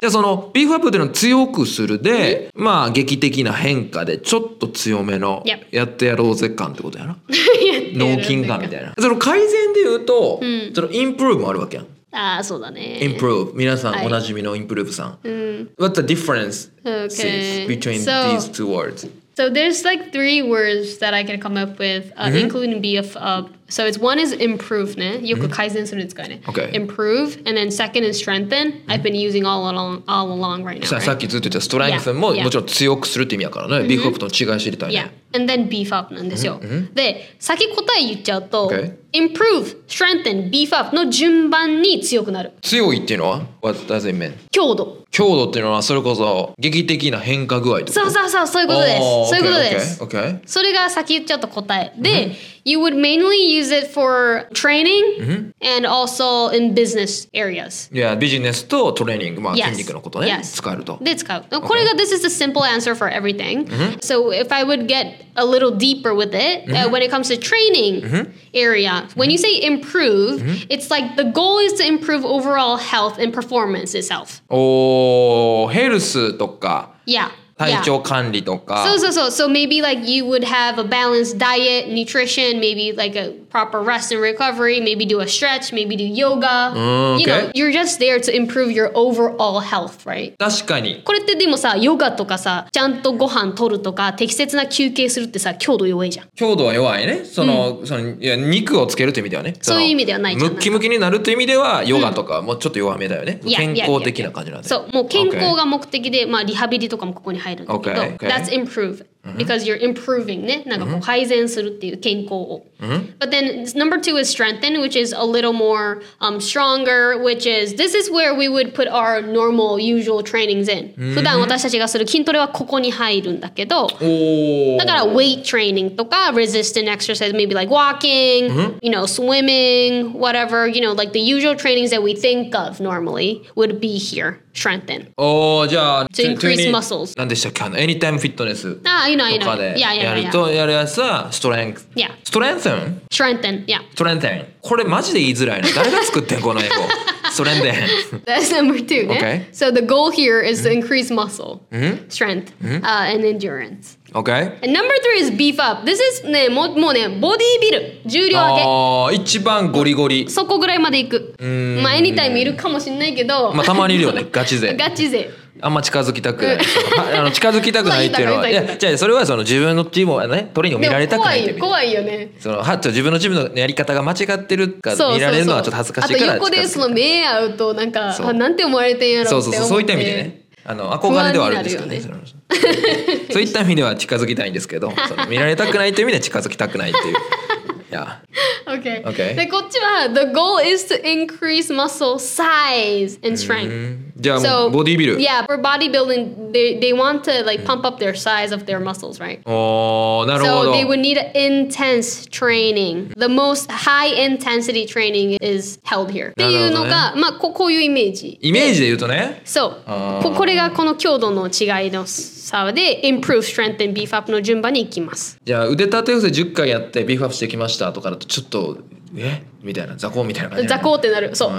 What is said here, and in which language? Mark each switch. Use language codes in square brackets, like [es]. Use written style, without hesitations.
[ja] で、はい、そのビーフアップっていうのは強くするで、まあ劇的な変化でちょっと強めのやってやろうぜ感ってことやな。脳筋感みたいな。その改善で言うと、そのインプルーブもあるわけやん。ああそうだね。インプルーブ、皆さんおなじみのインプルーブさん。 [en] はい、What's the difference、 okay. between so, these two words? So there's like three words that I can come up with,、mm-hmm. including BF up. So it's one is improve ね。 [ja] よく改善するんですかね。 [en] Okay. Improve, and then second is strengthen.、Mm-hmm. I've been using all along right now. [ja] さっきずっと言ったストレングスも、yeah. もちろん強くするって意味やからね。 Mm-hmm. ビーフアップとの違い知りたいね。 [en] Yeah. And then beef up [ja] なんですよ。で、先答え言っちゃうと、okay. improve, strengthen, beef up の順番に強くなる。強いっていうのは [en] What does it mean? [ja] 強度。強度っていうのはそれこそ劇的な変化具合ってこと。そうそういうことです。Oh, そういうことです。 [en] Okay, okay. [ja] それが先言っちゃうと答え。 [en] で、you would mainly use it for training and also in business areas. [ja] Yeah, business とトレーニング、まあ筋肉のことね、 [en] yes. [ja] 使えると。で、使う。Okay. [en] これが this is a simple answer for everything. So if I would geta little deeper with it、mm-hmm. When it comes to training、mm-hmm. area when、mm-hmm. you say improve、mm-hmm. it's like the goal is to improve overall health and performance itself oh health とか yeah [ja] 体調管理とか、 [en] yeah. So maybe like you would have a balanced diet, nutrition, maybe like a proper rest and recovery, maybe do a stretch, maybe do yoga. You know, you're just there to improve your overall health, right? [ja] 確かに。これってでもさ、ヨガとかさ、ちゃんとご飯取るとか、適切な休憩するってさ、強度弱いじゃん。強度は弱いね。その、その、いや、肉をつけるという意味ではね。そういう意味ではないじゃん。ムキムキになるという意味では、ヨガとかもちょっと弱めだよね。健康的な感じなんで。そう、もう健康が目的で、まあリハビリとかもここに入る。 [en] Okay, okay. That's improve because you're improving, ね。 [ja] なんかこう改善するっていう健康を。 [en] But then number two is strengthen, which is a little more stronger. Which is this is where we would put our normal usual trainings in. [ja] 普段私たちがする筋トレはここに入るんだけど。 [en] だから weight training とか resistant exercise, maybe like walking, you know, swimming, whatever, you know, like the usual trainings that we think of normally would be here. Strengthen. [ja] Oh, じゃあ [en] to increase muscles. [ja] 何でしたっけ Anytime fitness. [en] Ah, you know, I know. [ja] やるとやるやつは strength. [en] Yeah. Strengthen. Strengthen. Yeah. Strengthen. [ja] これマジで言いづらいな。誰が作ってんこの英語。 [en] Strengthen. That's number two. Okay.、 Yeah? So the goal here is to increase muscle, strength, and endurance. Okay. And number three is beef up. This is ね、 [ja] もうね、ボディービル。重量上げ。ああ、一番ゴリゴリ。そこぐらいまで行く。まあ、エニタイムいるかもしんないけど。まあ、たまにいるよね。ガチ勢。ガチ勢。あんま近づきたくない。近づきたくないっていうのは。いや、じゃあ、それはその自分のチームをね、トレーニング見られたくないって。怖いよね。その、はっと自分のチームのやり方が間違ってるか見られるのはちょっと恥ずかしいから。あと横でその目合うと、なんか、なんて思われてんやろうな。そうそうそう、そういった意味でね。憧れではあるんですけどね。そういった意味では近づきたいんですけど、その見られたくないという意味で近づきたくないっていう。 [en] Yeah. Okay. Okay. [ja] で、こっちは、 [en] the goal is to increase muscle size and strength. [ja] じゃあ、so, ボディービル。 [en] Yeah, for bodybuilding, they want to like pump up their size of their muscles, right? [ja] なるほど。 [en] So they would need intense training. The most high intensity training is held here. [ja] っていうのが、まあ、こういうイメージ。イメージで言うとね。そう。これがこの強度の違いの差で、improve, strengthen, beef up の順番に行きます。じゃあ、腕立て伏せ10回やって、ビーフアップしてきました。とかだとちょっとえみたいな雑魚みたいな感じ雑魚ってなるそう、う